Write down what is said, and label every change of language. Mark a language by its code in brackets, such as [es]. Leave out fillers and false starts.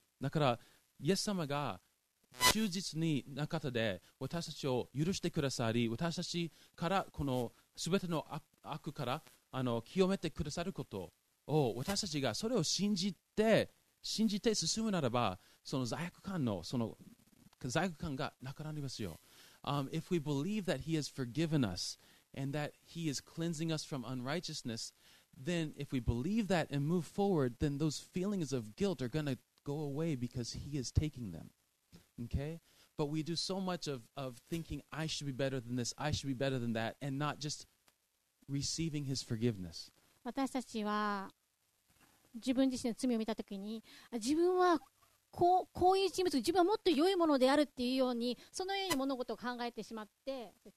[ja] だから、イエス様が、忠実に中田で私たちを許してくださり、私たちからこの全ての悪から清めてくださることを、私たちがそれを信じて進むならば、その罪悪感の、その罪悪感がなくなりますよ。 [en] If we believe that he has forgiven us and that he is cleansing us from unrighteousness, then if we believe that and move forward, then those feelings of guilt are going to go away because he is taking them. Okay? But we do so much of thinking I should be better than this, I should be better than that, and not just receiving his forgiveness. [ja] 私たちは自分自身の罪を見たときに、自分はこういう人物、自分はもっと良いものであるっていうように、そのように物事を考えてしまって、